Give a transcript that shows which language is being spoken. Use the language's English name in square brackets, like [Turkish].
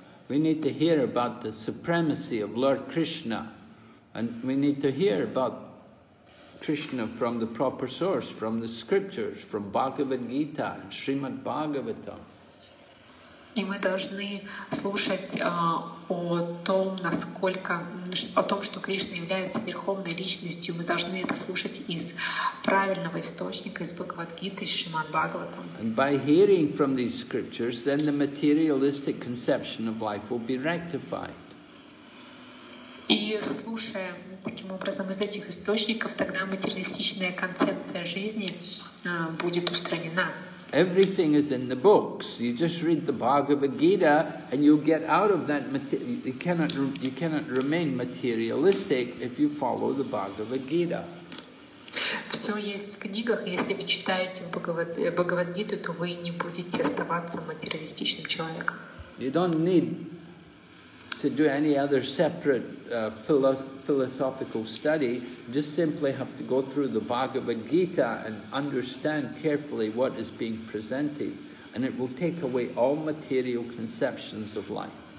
[English] We need to hear about the supremacy of Lord Krishna. And we need to hear about Krishna from the proper source, from the scriptures, from Bhagavad Gita, Srimad Bhagavatam. [Russian] И мы должны слушать о том, что Кришна является верховной личностью. Мы должны это слушать из правильного источника, из Бхагавад Гиты, из Шримад Бхагаватам. [English] And by hearing from these scriptures, then the materialistic conception of life will be rectified. [Russian] И слушая таким образом из этих источников, тогда материалистичная концепция жизни будет устранена. [English] Everything is in the books. You just read the Bhagavad Gita and you get out of that. You cannot remain materialistic if you follow the Bhagavad Gita. [Russian] Все есть в книгах. Если вы читаете Бхагавад-гиту, то вы не будете оставаться материалистичным человеком. [English] You don't need to do any other separate philosophical study, just simply have to go through the Bhagavad Gita and understand carefully what is being presented, and it will take away all material conceptions of life.